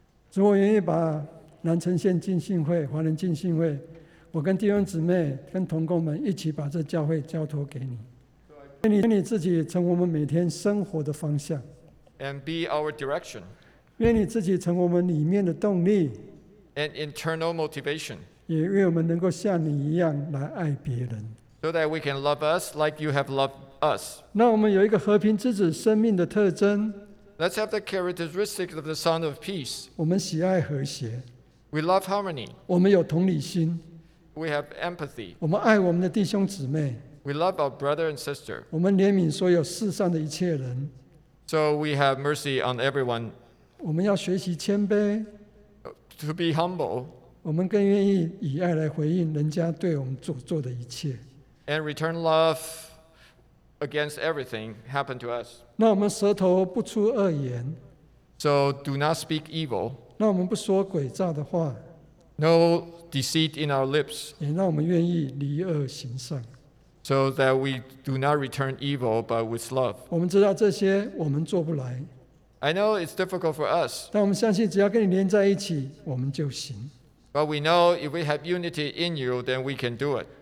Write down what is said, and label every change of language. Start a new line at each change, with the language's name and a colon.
Chinese: 主，我愿意把南城县浸信会、华人浸信会，我跟弟兄姊妹跟同工们一起把这教会交托给你，愿你自己成我们每天生活的方向，
English: and be our direction，
Chinese: 愿你自己成我们里面的动力，
English: and internal motivation，
Chinese: 也愿我们能够像你一样来爱别人，
English: so that we can love us like you have loved us，
Chinese: 让我们有一个和平之子生命的特征，
English: let's have the characteristics of the son of peace，
Chinese: 我们喜爱和谐，
English: we love harmony，
Chinese: 我们有同理心，
English: We have empathy.
Chinese: 我们爱我们的弟兄姊妹。
English: We love our brother and sister.
Chinese: 我们怜悯所有世上的一切人。
English: So we have mercy on everyone.
Chinese: 我们要学习谦卑。
English: To be humble.
Chinese: 我们更愿意以爱来回应人家对我们所做的一切。
English: And return love against everything happened to us.
Chinese: 那我们舌头不出恶言。
English: So do not speak evil.
Chinese: 那我们不说诡诈的话。
English: No deceit in our lips.
Chinese: 也让我们愿意离恶行善。
English: So that we do not return evil, but with love.
Chinese: 我们知道这些我们做不来。
English: I know it's difficult for us.
Chinese: 但我们相信，只要跟你连在一起，我们就行。
English: But we know if we have unity in you, then we can do it.